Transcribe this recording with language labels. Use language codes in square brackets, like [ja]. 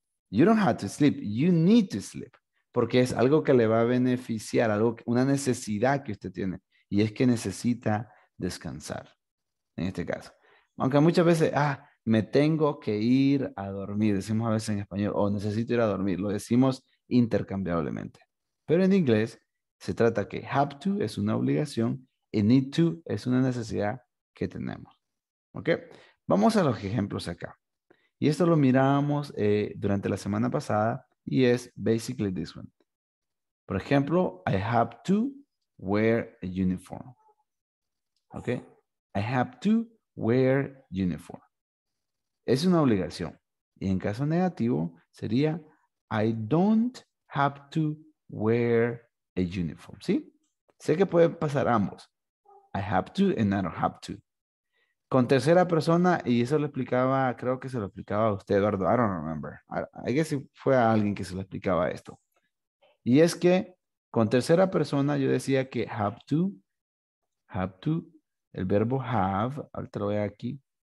[en] You don't have to sleep, you need to sleep. [es] Porque es algo que le va a beneficiar, algo, una necesidad que usted tiene. Y es que necesita descansar, en este caso. Aunque muchas veces, me tengo que ir a dormir, decimos a veces en español, o necesito ir a dormir, lo decimos intercambiablemente. Pero en inglés, se trata que have to es una obligación, y need to es una necesidad que tenemos. ¿Ok? Vamos a los ejemplos acá. Y esto lo miramos durante la semana pasada y es [en] basically this one. [es] Por ejemplo, [en] I have to wear a uniform. ¿Ok? I have to wear uniform. [es] Es una obligación. Y en caso negativo sería [en] I don't have to wear a uniform. [es] ¿Sí? Sé que puede pasar ambos. [en] I have to and I don't have to. [es] Con tercera persona, y eso lo explicaba, creo que se lo explicaba a usted, Eduardo. [en] I don't remember. I guess [es] fue a alguien que se lo explicaba esto. Y es que con tercera persona yo decía que have to, el verbo have, ahorita lo voy a aquí.